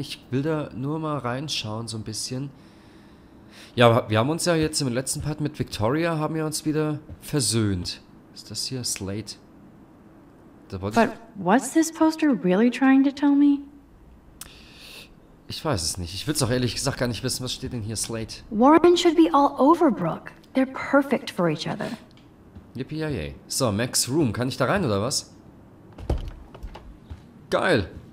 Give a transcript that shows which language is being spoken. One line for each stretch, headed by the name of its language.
German: Ich will da nur mal reinschauen, so ein bisschen. Ja, wir haben uns ja jetzt im letzten Part mit Victoria haben wir uns wieder versöhnt. Ist das hier Slate?
English: But what's this poster really trying to tell me?
German: Ich weiß es nicht. Ich will es auch ehrlich gesagt gar nicht wissen, was steht denn hier Slate.
English: Warren should be all over Brooke. They're perfect for each other.
German: Yippee-yay. So, Max Room. Kann ich da rein, oder was? Geil.